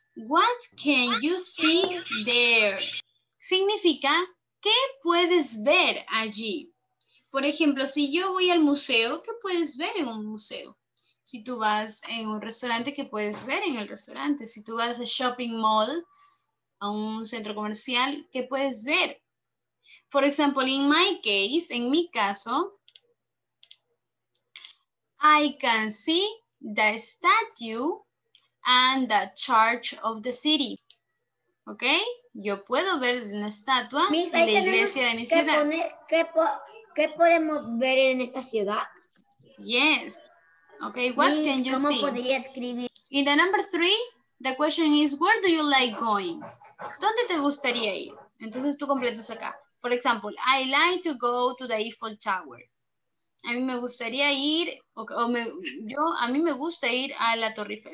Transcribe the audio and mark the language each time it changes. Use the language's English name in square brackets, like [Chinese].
[Spanish] What can you see there? Significa, ¿qué puedes ver allí? Por ejemplo, si yo voy al museo, ¿qué puedes ver en un museo? Si tú vas en un restaurante, ¿qué puedes ver en el restaurante? Si tú vas a shopping mall, a un centro comercial, ¿qué puedes ver? [English] For example, in my case, en mi caso, I can see the statue and the church of the city. ¿Ok? [Spanish] Yo puedo ver una estatua en la iglesia de mi ciudad. ¿Qué podemos ver en esta ciudad? [English] Yes. ¿Ok? What can you see? [Spanish] ¿Cómo podría escribir? [English] In the number 3, the question is, where do you like going? ¿Dónde te gustaría ir? Entonces tú completas acá. For example, I like to go to the Eiffel Tower. [Spanish] A mí me gustaría ir, a mí me gusta ir a la Torre Eiffel.